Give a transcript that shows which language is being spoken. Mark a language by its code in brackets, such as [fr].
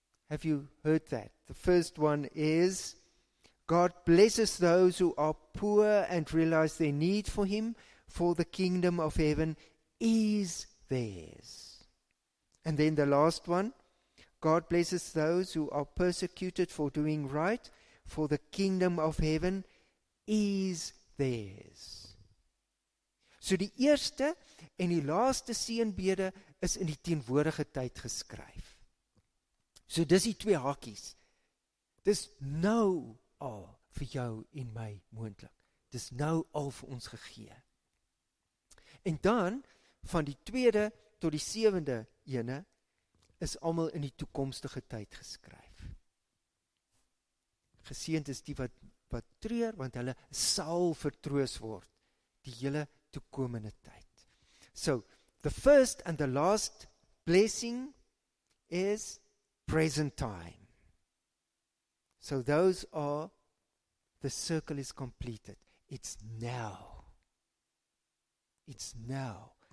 [en] Have you heard that? The first one is, God blesses those who are poor and realize their need for Him, for the kingdom of heaven is theirs. And then the last one, God blesses those who are persecuted for doing right, for the kingdom of heaven is theirs. [af] So die eerste en die laaste seënbede is in die teenwoordige tyd geskryf. So dis die twee hakies. Dis nou al vir jou en my moontlik. Dis nou al vir ons gegee. En dan, van die tweede tot die sewende ene, is almal in die toekomstige tyd geskryf. Geseend is die wat treur, want hulle sal vertroos word, die hele toekomende tyd. [en] So, the first and the last blessing is present time. So those are, the circle is completed. It's now. It's now.